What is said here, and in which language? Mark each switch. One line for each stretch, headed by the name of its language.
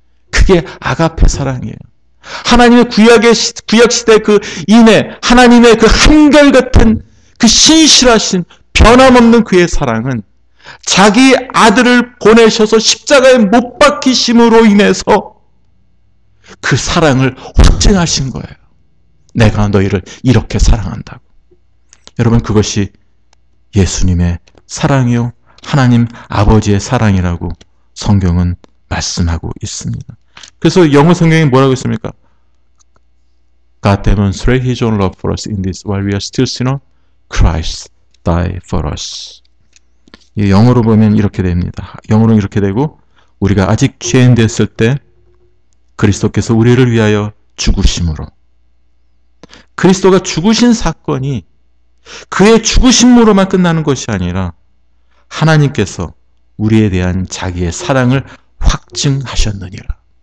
Korean: 그게 아가페 사랑이에요. 하나님의 구약 시대 그 인애, 하나님의 그 한결같은 그 신실하신 변함없는 그의 사랑은 자기 아들을 보내셔서 십자가에 못 박히심으로 인해서 그 사랑을 확증하신 거예요. 내가 너희를 이렇게 사랑한다고. 여러분, 그것이 예수님의 사랑이요 하나님 아버지의 사랑이라고 성경은 말씀하고 있습니다. 그래서 영어 성경이 뭐라고 했습니까?
English: God demonstrated his own love for us in this while we are still sinners, Christ died for us.
Korean: 영어로 보면 이렇게 됩니다. 영어로는 이렇게 되고 우리가 아직 죄인 됐을 때 그리스도께서 우리를 위하여 죽으심으로 그리스도가 죽으신 사건이 그의 죽으심으로만 끝나는 것이 아니라 하나님께서 우리에 대한 자기의 사랑을 확증하셨느니라.